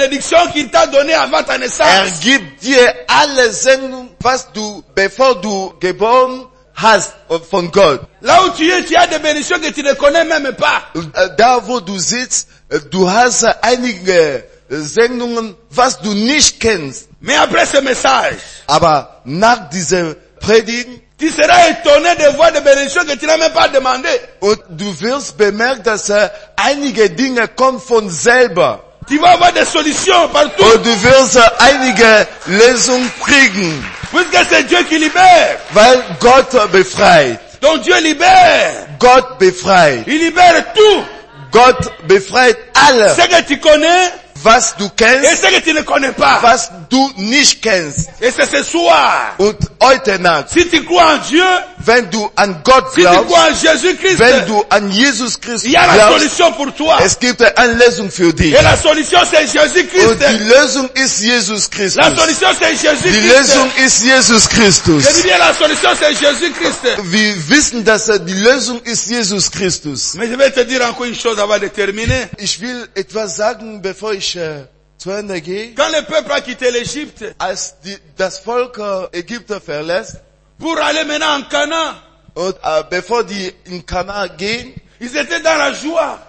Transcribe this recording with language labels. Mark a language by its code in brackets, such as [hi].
[de] er gibt dir alle Segnungen, was du, bevor du geboren hast, von Gott. [fr] Là où tu es, tu as des bénédictions que tu ne connais même pas. [de] Da wo du sitzt, du hast einige Segnungen, was du nicht kennst. [fr] Mais après ce message, [de] aber nach diesem Predigen, [fr] tu seras étonné de voir des bénédictions que tu n'as même pas demandé. [de] Und du wirst bemerken, dass einige Dinge kommen von selber. [fr] Tu vas avoir des solutions partout. [de] Und du wirst einige Lösungen kriegen. [fr] Puisque c'est Dieu qui libère. [de] Weil Gott befreit. [fr] Donc Dieu libère. [de] Gott befreit. [fr] Il libère tout. [de] Gott befreit alle. [fr] Ce que tu connais. [de] Was du kennst. [fr] Et ce que tu ne connais pas. [de] Was du nicht kennst. [fr] Et c'est ce soir. [de] Und heute Nacht. [fr] Si tu crois en Dieu. [de] wenn du an Gott glaubst, [fr] si Jesus Christ, [de] wenn du an Jesus Christ glaubst, [fr] la solution pour toi. [de] Es gibt eine Lösung für dich. [fr] Et la solution, c'est Jesus Christ. [de] Und die Lösung ist Jesus Christus. [fr] La solution, c'est Jesus [de] die Lösung ist Jesus Christus. [fr] Je dis bien, la solution, c'est Jesus Christ. [de] Wir wissen, dass die Lösung ist Jesus Christus. [fr] Mais je vais te dire encore une chose avant de terminer. [de] Ich will etwas sagen, bevor ich zu Ende gehe. [fr] Quand le peuple a quitté l'Egypte, [de] als das Volk Ägypten verlässt, [fr] pour aller maintenant en Cana. Before the in Cana gehen, ils étaient dans la joie.